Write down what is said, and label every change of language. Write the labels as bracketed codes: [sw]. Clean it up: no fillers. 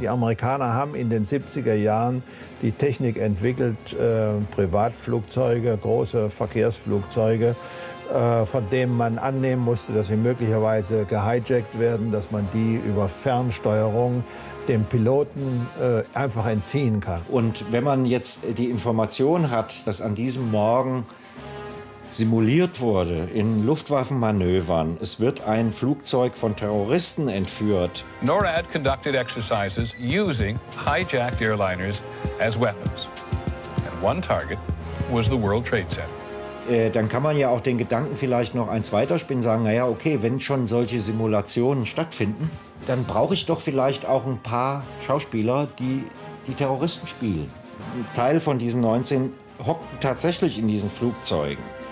[de] Die Amerikaner haben in den 70er Jahren die Technik entwickelt, Privatflugzeuge, große Verkehrsflugzeuge, von denen man annehmen musste, dass sie möglicherweise gehijackt werden, dass man die über Fernsteuerung dem Piloten einfach entziehen kann. Und wenn man jetzt die Information hat, dass an diesem Morgen simuliert wurde in Luftwaffenmanövern, es wird ein Flugzeug von Terroristen entführt. [en] NORAD conducted exercises using hijacked airliners as weapons. And one target was the World Trade Center. [de] dann kann man ja auch den Gedanken vielleicht noch eins weiterspinnen, sagen, naja, okay, wenn schon solche Simulationen stattfinden, dann brauche ich doch vielleicht auch ein paar Schauspieler, die die Terroristen spielen. Ein Teil von diesen 19 hockten tatsächlich in diesen Flugzeugen.